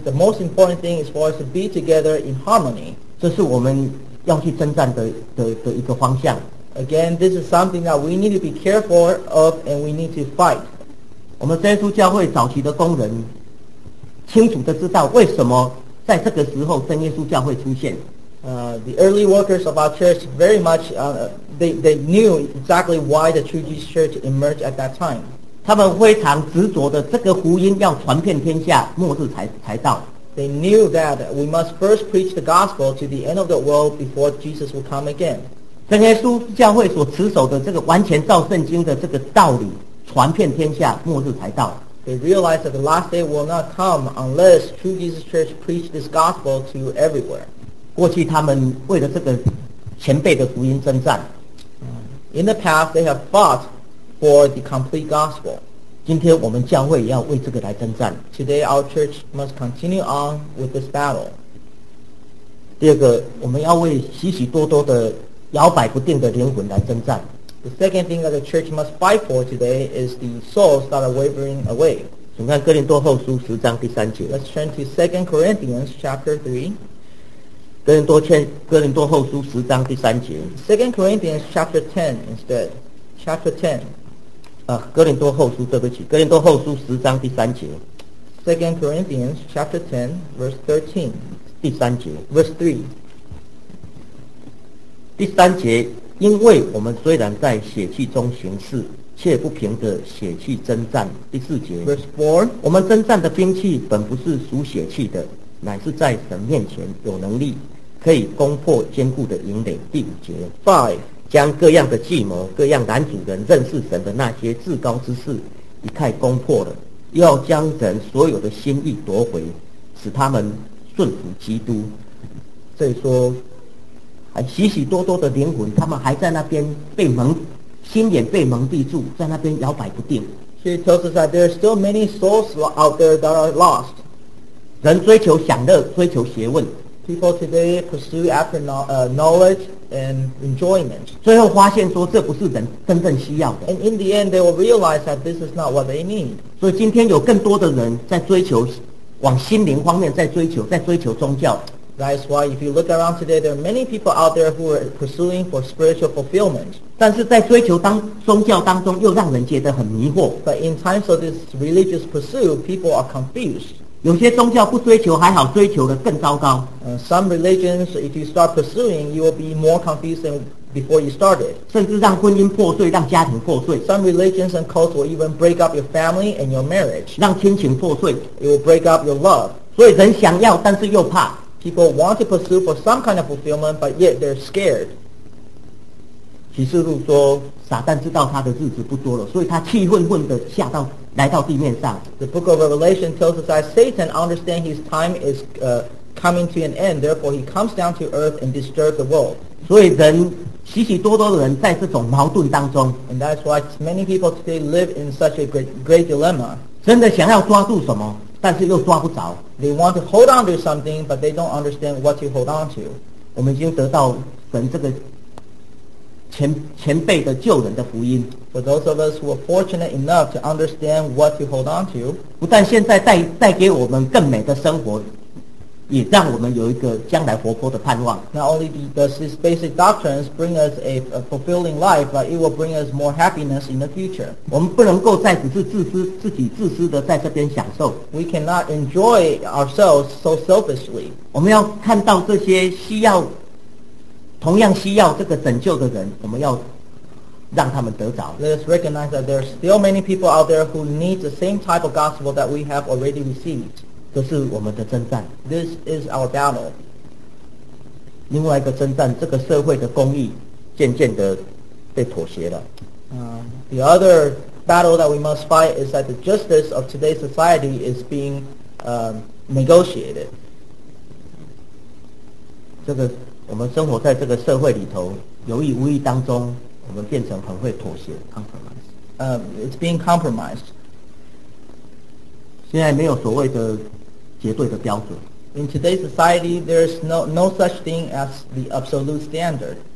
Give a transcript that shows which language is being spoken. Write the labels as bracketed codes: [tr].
[en] The most important thing is for us to be together in harmony. [zh] 这是我们要去征战的一个方向。 [en] Again, this is something that we need to be careful of and we need to fight. [zh] 我们真耶稣教会早期的工人清楚地知道为什么在这个时候真耶稣教会出现。 [en] The early workers of our church very much, they knew exactly why the True Jesus Church emerged at that time. [zh] 他们非常执着的，这个福音要传遍天下，末日才到。 [en] They knew that we must first preach the gospel to the end of the world before Jesus will come again. [zh] 真耶稣教会所持守的这个完全照圣经的这个道理，传遍天下，末日才到。 [en] They realized that the last day will not come unless True Jesus Church preached this gospel to everywhere. [zh] 过去他们为了这个前辈的福音征战。 [en] In the past, they have fought. For the complete gospel. [zh] 今天我们教会也要为这个来征战。 [en] Today our church must continue on with this battle. [zh] 第二个，我们要为许许多多的摇摆不定的灵魂来征战。 [en] The second thing that the church must fight for today is the souls that are wavering away. [zh] 请看哥林多后书十章第三节。 [en] Let's turn to 2 Corinthians chapter 3. [zh] 哥林多后书十章第三节。 [en] 2 Corinthians chapter 10 instead. Chapter 10. [zh] 哥林多后书，对不起，哥林多后书十章第三节。 [en] Second Corinthians chapter 10, verse 13. [zh] 第三节。 [en] Verse 3. [zh] 第三节，因为我们虽然在血气中行事，却不凭着血气征战。第四节。 [en] Verse 4. [zh] 我们征战的兵器本不是属血气的，乃是在神面前有能力，可以攻破坚固的营垒。第五节。 [en] 5. [zh] 将各样的计谋、各样男主人认识神的那些至高之事一概攻破了，又要将人所有的心意夺回，使他们顺服基督。所以说还许许多多的灵魂，他们还在那边被蒙心眼被蒙蔽住，在那边摇摆不定。 [en] She tells us that there are still many souls out there that are lost. [zh] 人追求享乐，追求学问。 [en] People today pursue after knowledge and enjoyment. [zh] 最后发现说这不是人真正需要的。 [en] And in the end, they will realize that this is not what they need. [zh] 所以今天有更多的人在追求，往心灵方面在追求宗教。 [en] That is why if you look around today, there are many people out there who are pursuing for spiritual fulfillment. [zh] 但是在追求宗教当中又让人觉得很迷惑。 [en] But in times of this religious pursuit, people are confused. [zh] 有些宗教不追求还好，追求的更糟糕。 [en] Some religions, if you start pursuing, you will be more confused than before you started. [zh] 甚至让婚姻破碎，让家庭破碎。 [en] Some religions and cults will even break up your family and your marriage. [zh] 让亲情破碎。 [en] It will break up your love. [zh] 所以人想要，但是又怕。 [en] People want to pursue for some kind of fulfillment, but yet they're scared. [zh] 启示录说，撒旦知道他的日子不多了，所以他气混混的下到来到地面上。 [en] The book of Revelation tells us that Satan understands his time is coming to an end, therefore he comes down to earth and disturbs the world. [zh] 所以人许许多多的人在这种矛盾当中。 [en] And that's why many people today live in such a great dilemma. [zh] 真的想要抓住什么，但是又抓不着。 [en] They want to hold on to something, but they don't understand what to hold on to. [zh] 我们已经得到神这个前辈的救人的福音。 [en] For those of us who are fortunate enough to understand what to hold on to, [zh] 不但现在带给我们更美的生活，也让我们有一个将来活泼的盼望。 [en] Not only does this basic doctrine bring us a fulfilling life, but it will bring us more happiness in the future. [zh] 我们不能够再只是自己自私的在这边享受。 [en] We cannot enjoy ourselves so selfishly. [zh] 我们要看到这些需要，同样需要这个拯救的人，我们要让他们得着。 [en] Let us recognize that there are still many people out there who need the same type of gospel that we have already received. [zh] 这是我们的征战。 [en] This is our battle. [zh] 另外一个征战，这个社会的公义渐渐的被妥协了。 [en] The other battle that we must fight is that the justice of today's society is being negotiated. [zh] 这个我们生活在这个社会里头，有意无意当中，我们变成很会妥协 [en] compromise. It's being compromised. [zh] 现在没有所谓的绝对的标准。 [en] In today's society, there is no such thing as the absolute standard.